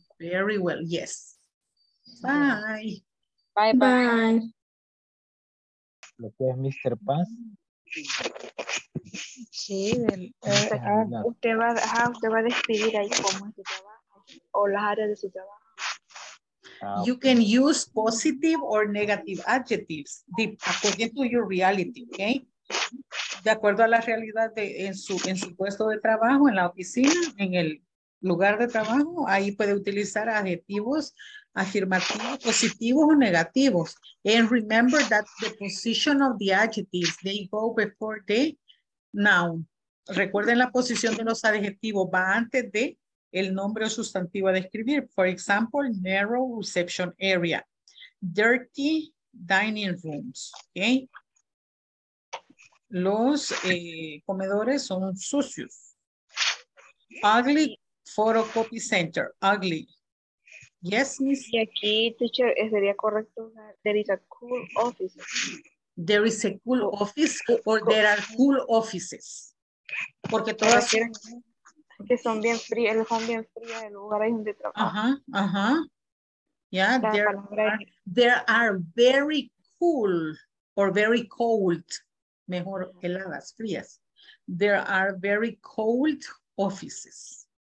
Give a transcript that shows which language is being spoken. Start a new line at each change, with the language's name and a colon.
English: Very well, yes. Bye. Bye, bye.
Spanish: Lo que es Mr. Paz. Sí, usted va a despedir ahí como es su trabajo o las áreas de su trabajo.
English: You can use positive or negative adjectives according to your reality, okay?
Spanish: De acuerdo a la realidad de, en su puesto de trabajo, en la oficina, en el lugar de trabajo, ahí puede utilizar adjetivos afirmativos, positivos o negativos.
English: And remember that the position of the adjectives, they go before the noun.
Spanish: Recuerden la posición de los adjetivos, va antes de el nombre o sustantivo a describir.
English: For example, narrow reception area, dirty dining rooms, okay?
Spanish: Los comedores son sucios.
English: Ugly photocopy center, ugly. Yes, miss?
Spanish: Y aquí, teacher, sería correcto,
English: there is a cool office. There is a cool office or there are cool offices.
Spanish: Porque todas que son bien frías, el son bien frías el lugar ahí donde trabajo.
English: Ajá, ajá. Yeah, there are very cool or very cold,
Spanish: mejor heladas, frías.
English: There are very cold offices.